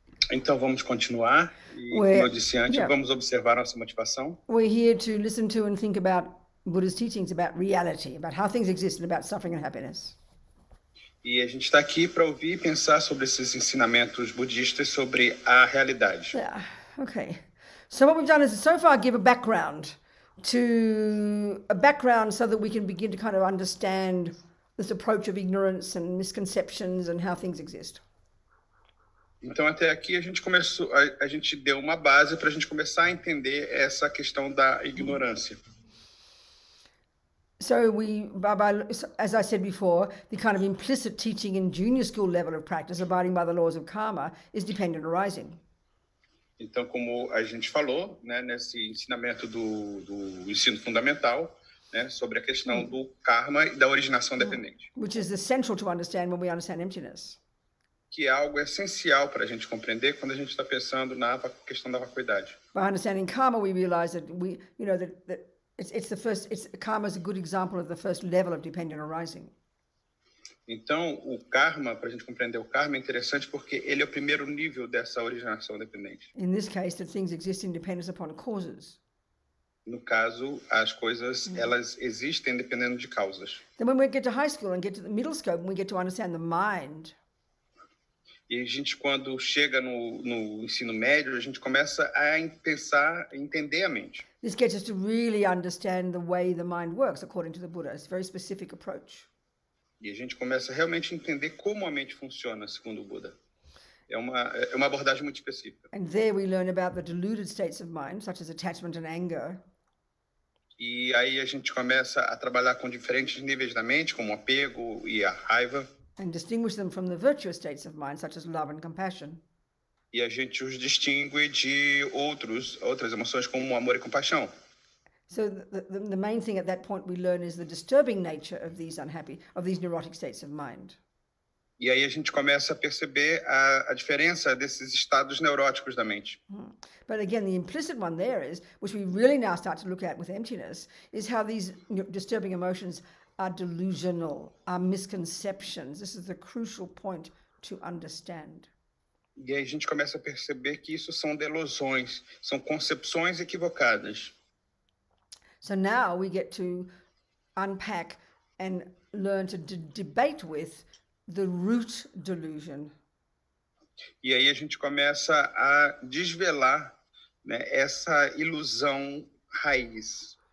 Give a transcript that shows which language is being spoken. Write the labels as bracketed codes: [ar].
[pt] Então vamos continuar e, como eu disse antes, vamos observar nossa motivação. [en] We're here to listen to and think about Buddha's teachings about reality, about how things exist, and about suffering and happiness. [pt] E a gente está aqui para ouvir e pensar sobre esses ensinamentos budistas sobre a realidade. [en] Yeah. Okay. So what we've done is so far give a background to a background so that we can begin to kind of understand this approach of ignorance and misconceptions and how things exist. [pt] Então até aqui a gente começou, a gente deu uma base para a gente começar a entender essa questão da ignorância. [en] So we, as I said before, the kind of implicit teaching in junior school level of practice, abiding by the laws of karma, is dependent arising. [pt] Então, como a gente falou, né, nesse ensinamento do ensino fundamental, né, sobre a questão do karma e da originação dependente. [en] Which is essential to understand when we understand emptiness. [pt] Que é algo essencial para a gente compreender quando a gente está pensando na questão da vacuidade. [en] By understanding karma, we realize that we, you know, that it's the first. It's karma is a good example of the first level of dependent arising. [pt] Então, o karma, para a gente compreender o karma, é interessante porque ele é o primeiro nível dessa originação dependente. [en] In this case, that things exist in dependence upon causes. [pt] No caso, as coisas, elas existem dependendo de causas. [en] Then when we get to high school and get to the middle scope, we get to understand the mind. [pt] E a gente, quando chega no ensino médio, a gente começa a pensar, a entender a mente. [en] This gets us to really understand the way the mind works, according to the Buddha. It's a very specific approach. [pt] E a gente começa realmente a entender como a mente funciona, segundo o Buda. É uma abordagem muito específica. [en] And there we learn about the deluded states of mind, such as attachment and anger. [pt] E aí a gente começa a trabalhar com diferentes níveis da mente, como apego e a raiva. [en] And distinguish them from the virtuous states of mind, such as love and compassion. [pt] E a gente os distingue de outras emoções, como amor e compaixão. [en] So the main thing at that point we learn is the disturbing nature of these unhappy, of these neurotic states of mind. [pt] E aí a gente começa a perceber a diferença desses estados neuróticos da mente. [en] But again, the implicit one there is, which we really now start to look at with emptiness, is how these disturbing emotions are delusional, are misconceptions. This is the crucial point to understand. [pt] E aí a gente começa a perceber que isso são delusões, são concepções equivocadas. [en] So now we get to unpack and learn to debate with the root delusion. [pt] E aí a gente começa a desvelar, né, essa ilusão raiz.